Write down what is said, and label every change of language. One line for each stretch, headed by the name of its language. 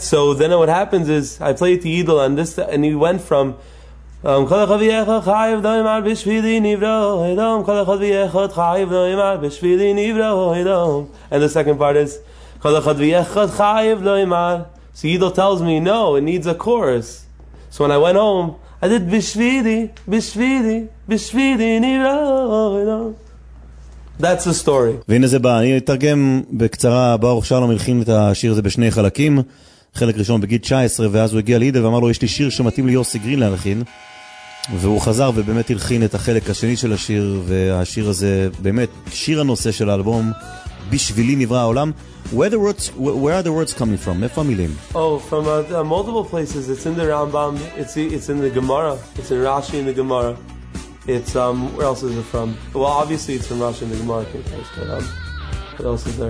English: So then what happens is I play it to Yidel and this, and he went from
Hebrew: kol chaviecha chayiv doim al bishvili nivro hidom,
English: kol chaviecha chayiv doim al bishvili nivro hidom. And the second part is
Hebrew: kol chaviecha chayiv doim al.
English: So Yidel tells me, no, it needs a chorus. So when I went home, I did
Hebrew: bishvili, bishvili, bishvili nivro hidom.
English: That's the story.
Hebrew: והנה זה בא, אני אתרגם בקצרה, ברוך שלום הלחין את השיר הזה בשני חלקים, חלק ראשון בגיל 19, ואז הוא הגיע לידל ואמר לו, יש לי שיר שמתאים ליוסי גרין להלחין, והוא חזר ובאמת הלחין את החלק השני של השיר, והשיר הזה באמת שיר הנושא של האלבום, בשבילי נברא העולם.
English: Where are the words coming from?
Hebrew: איפה המילים?
English: Oh, from multiple places. It's in the Rambam, it's in the Gemara, it's in Rashi in the Gemara. It's where else is it from? Well, obviously it's from Rashi and the Gemara, but what else is there?